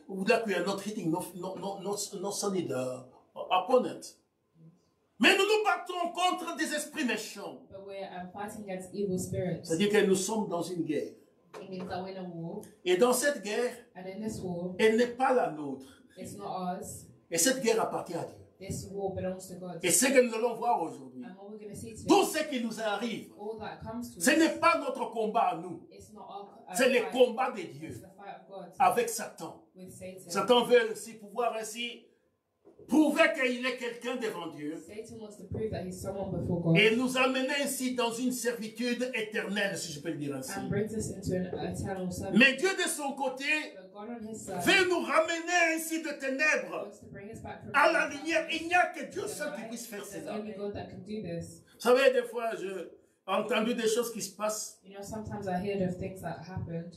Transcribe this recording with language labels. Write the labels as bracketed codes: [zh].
[en] Like we are not hitting not solid opponent. [fr] Mais nous nous battons contre des esprits méchants. [en] But we're fighting against evil spirits. [fr] C'est-à-dire que nous sommes dans une guerre. [en] It means that we're in a war. [fr] Et dans cette guerre, [en] and in this war, [fr] elle n'est pas la nôtre. [en] It's not ours. [fr] Et cette guerre appartient à Dieu. [en] This war belongs to God. [fr] Et ce que nous allons voir aujourd'hui, [en] and what we're going to see today, [fr] tout ce qui nous arrive, [en] all that comes to [fr] ce [en] us, [fr] n'est pas notre combat à nous. [en] It's not our [fr] c'est le combat de Dieu avec Satan. [en] With Satan. [fr] Satan veut aussi pouvoir ainsi prouver qu'il est quelqu'un devant Dieu. [en] Satan wants to prove that he's someone before God. [fr] Et nous amener ainsi dans une servitude éternelle, si je peux le dire ainsi. [en] And brings us into an eternal servitude. [fr] Mais Dieu de son côté, veut nous ramener ainsi de ténèbres à la lumière. Il n'y a que Dieu seul qui puisse faire cela. Vous savez, des fois, j'ai entendu des choses qui se passent. [en] You know, sometimes I hear of things that happened.